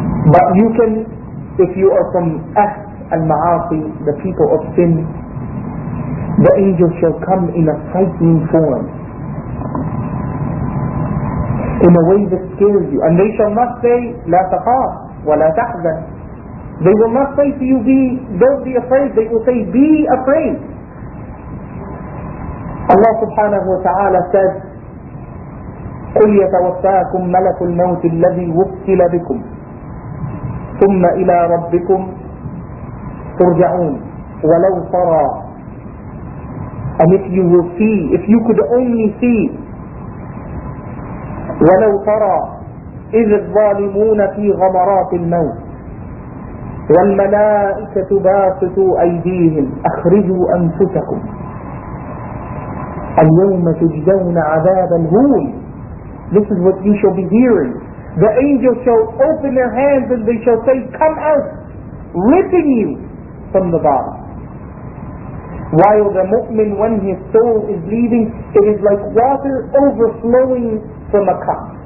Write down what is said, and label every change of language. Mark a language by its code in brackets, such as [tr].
[en] But you can, if you are from ahd al ma'asi, the people of sin, the angel shall come in a frightening form, in a way that scares you, and they shall not say [ar] la taqaf wa la tahzan. [en] They will not say to you, don't be afraid. They will say, be afraid. Allah subhanahu wa ta'ala says, [ar] قُلْ يَتَوَفَّاكُمْ مَلَكُ الْمَوْتِ الَّذِي وُكِّلَ بِكُمْ ثُمَّ إِلَىٰ رَبِّكُمْ تُرْجَعُونَ وَلَوْ تَرَىٰ. [en] And if you will see, if you could only see, [ar] وَلَوْ تَرَىٰ إِذِ الظَّالِمُونَ فِي غَمَرَاتِ الْمَوْتِ والملائكة باسطوا أيديهم أخرجوا أنفسكم اليوم تجزون عذاب الهون. [en] This is what you shall be hearing. The angels shall open their hands and they shall say, come out, ripping you from the bottom. While the mu'min, when his soul is leaving, it is like water overflowing from a cup.